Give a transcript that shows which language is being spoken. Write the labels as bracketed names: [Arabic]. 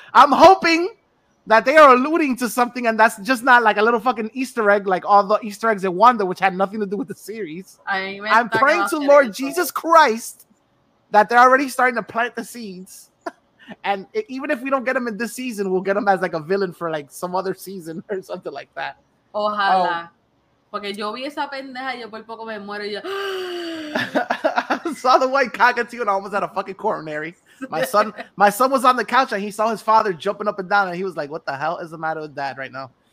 [English] I'm hoping that they are alluding to something and that's just not like a little fucking Easter egg like all the Easter eggs in Wanda, which had nothing to do with the series. I'm praying to Lord Jesus Christ that they're already starting to plant the seeds. And even if we don't get them in this season, we'll get them as like a villain for like some other season or something like that. [Spanish] Ojalá. Porque yo vi esa pendeja y yo por poco me muero y yo... [English] I saw the white cockatoo and I almost had a fucking coronary. My son was on the couch and he saw his father jumping up and down and he was like, what the hell is the matter with dad right now?